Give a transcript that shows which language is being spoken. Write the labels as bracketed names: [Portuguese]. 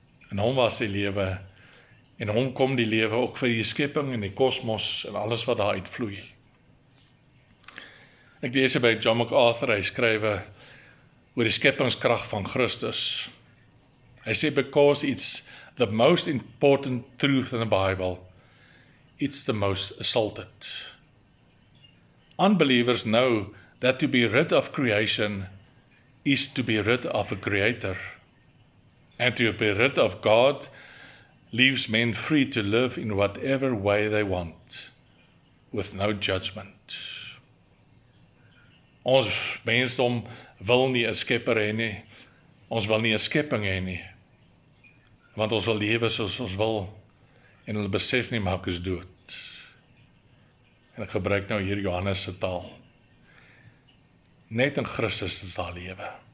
[Afrikaans] En hom was die lewe en hom kom die lewe ook vir die skepping en die kosmos en alles wat daar uitvloei. Ek lees by John MacArthur, hy skryf oor die skeppingskrag van Christus. Hy sê, [English] because it's the most important truth in the Bible, it's the most assaulted. Unbelievers know that to be rid of creation is to be rid of a creator. And to be rid of God leaves men free to live in whatever way they want, with no judgment. [Afrikaans] Ons mensdom wil nie 'n skepper hê nie. Ons wil nie 'n skepping hê nie. Want ons wil lewe soos ons wil. En ons besef nie, maar ek is dood. En ek gebruik nou hier Johannes se taal. Net in Christus is daar lewe.